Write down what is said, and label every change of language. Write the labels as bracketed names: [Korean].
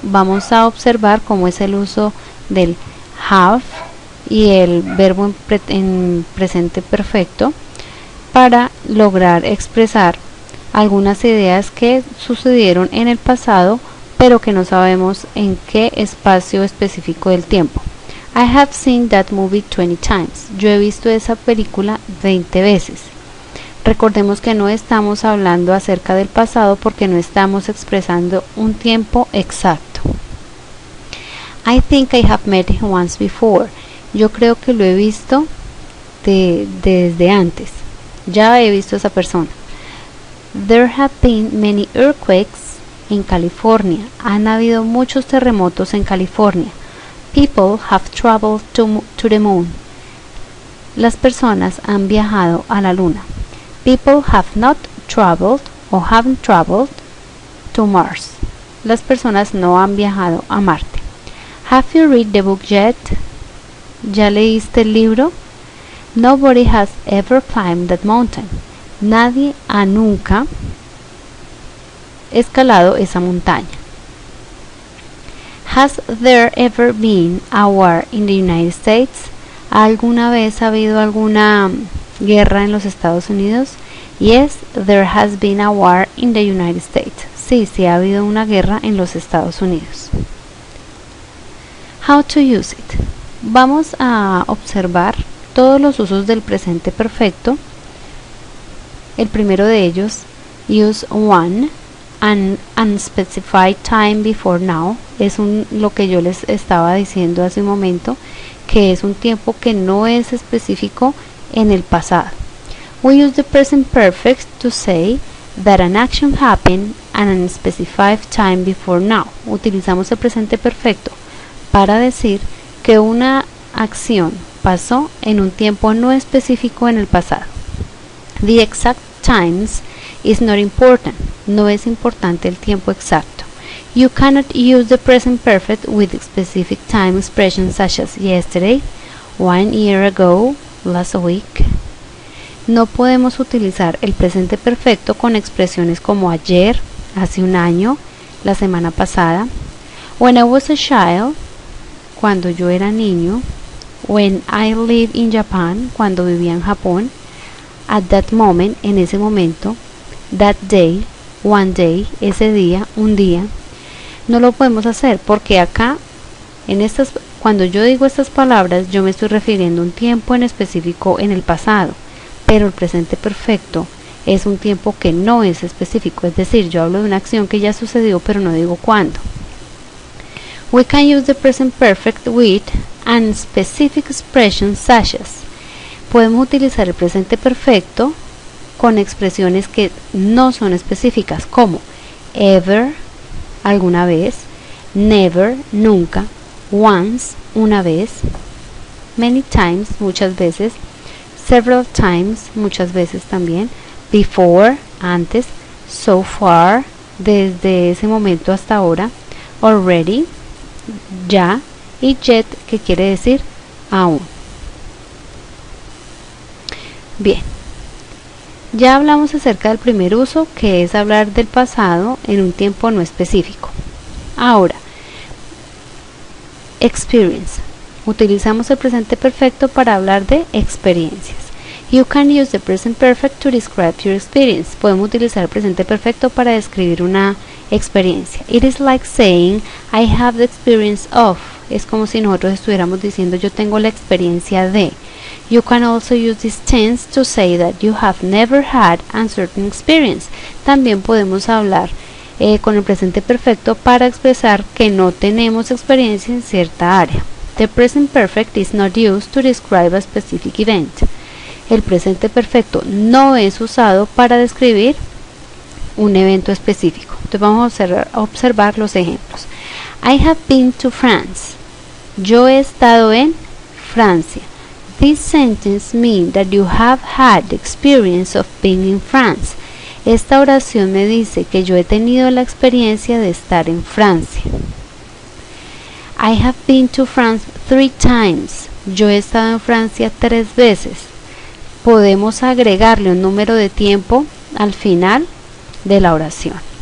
[Spanish] Vamos a observar cómo es el uso del have y el verbo en presente perfecto para lograr expresar algunas ideas que sucedieron en el pasado, pero que no sabemos en qué espacio específico del tiempo. [English] I have seen that movie 20 times. [Spanish] Yo he visto esa película 20 veces. Recordemos que no estamos hablando acerca del pasado porque no estamos expresando un tiempo exacto. [English] I think I have met him once before. [Spanish] Yo creo que lo he visto desde antes. Ya he visto a esa persona. [English] There have been many earthquakes in California. [Spanish] Han habido muchos terremotos en California. [English] People have traveled to the moon. [Spanish] Las personas han viajado a la luna. [English] People have not traveled or haven't traveled to Mars. [Spanish] Las personas no han viajado a Marte. [English] Have you read the book yet? [Spanish] ¿Ya leíste el libro? [English] Nobody has ever climbed that mountain. [Spanish] Nadie ha nunca escalado esa montaña. [English] Has there ever been a war in the United States? [Spanish] ¿Alguna vez ha habido alguna guerra en los Estados Unidos? [English] Yes, there has been a war in the United States. [Spanish] Sí, sí ha habido una guerra en los Estados Unidos. [English] How to use it? [Spanish] Vamos a observar todos los usos del presente perfecto. El primero de ellos, [English] use one and unspecified time before now, [Spanish] es lo que yo les estaba diciendo hace un momento, que es un tiempo que no es específico en el pasado. [English] We use the present perfect to say that an action happened an unspecified time before now. [Spanish] Utilizamos el presente perfecto para decir que una acción pasó en un tiempo no específico en el pasado. [English] The exact times is not important. [Spanish] No es importante el tiempo exacto. [English] You cannot use the present perfect with specific time expressions such as yesterday, one year ago, last week. [Spanish] No podemos utilizar el presente perfecto con expresiones como ayer, hace un año, la semana pasada. [English] When I was a child, [Spanish] cuando yo era niño. [English] When I live in Japan, [Spanish] cuando vivía en Japón. [English] At that moment, [Spanish] en ese momento, [English] that day, one day, [Spanish] ese día, un día, no lo podemos hacer porque acá, cuando yo digo estas palabras, yo me estoy refiriendo a un tiempo en específico en el pasado, pero el presente perfecto es un tiempo que no es específico, es decir, yo hablo de una acción que ya sucedió, pero no digo cuándo. [English] We can use the present perfect with and specific expressions such as. [Spanish] Podemos utilizar el presente perfecto con expresiones que no son específicas, como ever, alguna vez, never, nunca, once, una vez, [English] many times, [Spanish] muchas veces, [English] several times, [Spanish] muchas veces también, before, antes, [English] so far, [Spanish] desde ese momento hasta ahora, already, ya, y yet, que quiere decir aún. Bien, ya hablamos acerca del primer uso, que es hablar del pasado en un tiempo no específico. Ahora, experience. Utilizamos el presente perfecto para hablar de experiencias. [English] You can use the present perfect to describe your experience. [Spanish] Podemos utilizar el presente perfecto para describir una experiencia. [English] It is like saying, I have the experience of. [Spanish] Es como si nosotros estuviéramos diciendo, yo tengo la experiencia de. [English] You can also use this tense to say that you have never had a certain experience. [Spanish] También podemos hablar con el presente perfecto para expresar que no tenemos experiencia en cierta área. [English] The present perfect is not used to describe a specific event. [Spanish] El presente perfecto no es usado para describir un evento específico. Entonces vamos a observar los ejemplos. [English] I have been to France. [Spanish] Yo he estado en Francia. [English] This sentence means that you have had the experience of being in France. [Spanish] Esta oración me dice que yo he tenido la experiencia de estar en Francia. [English] I have been to France 3 times. [Spanish] Yo he estado en Francia 3 veces. Podemos agregarle un número de tiempo al final de la oración.